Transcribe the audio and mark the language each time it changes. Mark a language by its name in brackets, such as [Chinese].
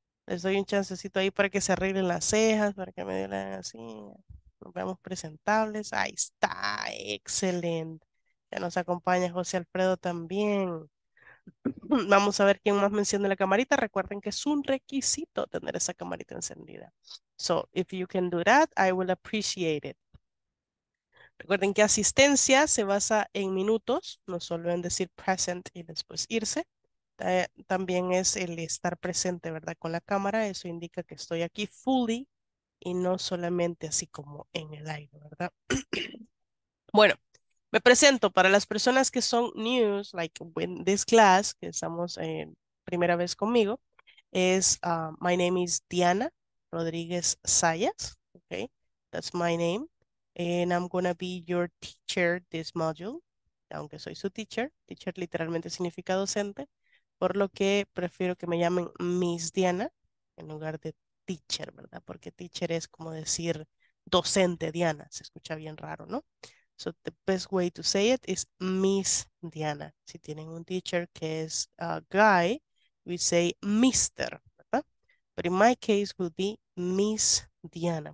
[Spanish] Les doy un chancecito ahí para que se arreglen las cejas, para que me den así. Nos veamos presentables. Ahí está. Excelente. Ya nos acompaña José Alfredo también. Vamos a ver quién más me enciende la camarita. Recuerden que es un requisito tener esa camarita encendida. [English] So, if you can do that, I will appreciate it. [Spanish] Recuerden que asistencia se basa en minutos, no solo en decir present y después irse. También es el estar presente, ¿verdad? Con la cámara. Eso indica que estoy aquí fully y no solamente así como en el aire, ¿verdad? Bueno. Me presento para las personas que son [English] news, like in this class, [Spanish] que estamos primera vez conmigo, es [English] my name is Diana Rodríguez Sayas, okay, that's my name, and I'm gonna be your teacher this module, [Spanish] aunque soy su teacher, teacher literalmente significa docente, por lo que prefiero que me llamen Miss Diana en lugar de teacher, ¿verdad? Porque teacher es como decir docente Diana, se escucha bien raro, ¿no? [English] So the best way to say it is Miss Diana. [Spanish] Si tienen un teacher que es [English] a guy, we say Mr., [Spanish] ¿verdad? [English] But in my case would be Miss Diana.